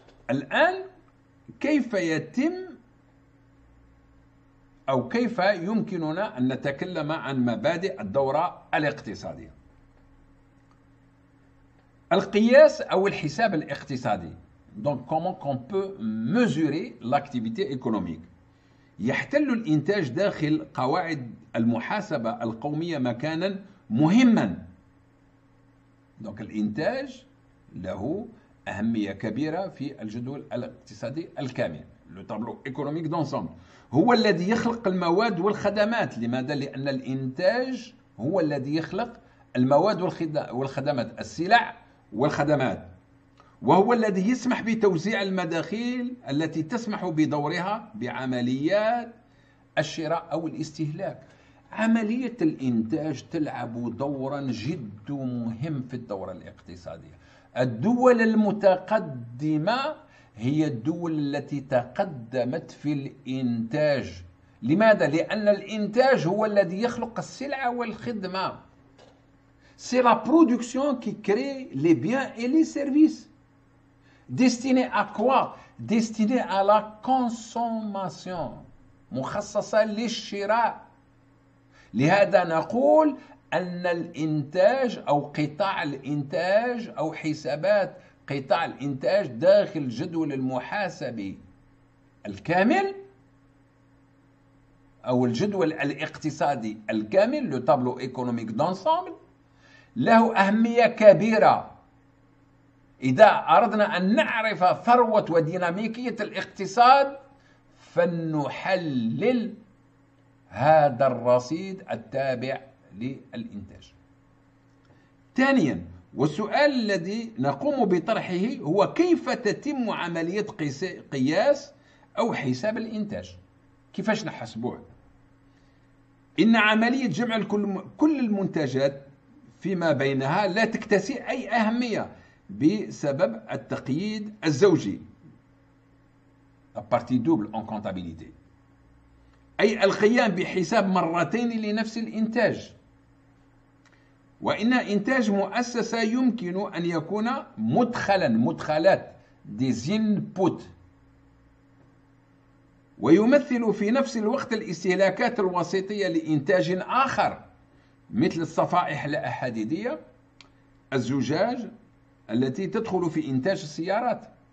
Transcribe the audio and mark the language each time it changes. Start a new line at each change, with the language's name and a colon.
Arabic: الان كيف يتم أو كيف يمكننا أن نتكلم عن مبادئ الدورة الاقتصادية؟ القياس أو الحساب الاقتصادي.
French: Donc comment qu'on peut mesurer l'activité économique.
Arabic: يحتل الإنتاج داخل قواعد المحاسبة القومية مكانا مهما. Donc الإنتاج له أهمية كبيرة في الجدول الاقتصادي الكامل.
French: Le tableau économique d'ensemble.
Arabic: هو الذي يخلق المواد والخدمات. لماذا؟ لأن الإنتاج هو الذي يخلق المواد والخدمات، السلع والخدمات، وهو الذي يسمح بتوزيع المداخيل التي تسمح بدورها بعمليات الشراء أو الاستهلاك. عملية الإنتاج تلعب دورا جد مهم في الدورة الاقتصادية. الدول المتقدمة هي الدول التي تقدمت في الإنتاج. لماذا؟ لأن الإنتاج هو الذي يخلق السلع والخدمة.
French: C'est la production qui crée les biens et les services. Destiné à quoi? Destiné à la consommation.
Arabic: مخصصة للشراء. لهذا نقول أن الإنتاج أو قطاع الإنتاج أو حسابات قطاع الإنتاج داخل جدول المحاسبي الكامل أو الجدول الاقتصادي الكامل
French: لو تابلو ايكونوميك دونسامبل
Arabic: له أهمية كبيرة. إذا أردنا أن نعرف ثروة وديناميكية الاقتصاد فلنحلل هذا الرصيد التابع للإنتاج. ثانياً، والسؤال الذي نقوم بطرحه هو كيف تتم عملية قياس أو حساب الإنتاج؟ كيفاش نحسبوه؟ إن عملية جمع كل المنتجات فيما بينها لا تكتسي أي أهمية بسبب التقييد الزوجي.
French: partie double en comptabilité.
Arabic: أي القيام بحساب مرتين لنفس الإنتاج. وإن إنتاج مؤسسة يمكن أن يكون مدخلاً مدخلات ديز إنبوت ويمثل في نفس الوقت الاستهلاكات الوسيطية لإنتاج آخر مثل الصفائح الحديدية الزجاج التي تدخل في إنتاج السيارات.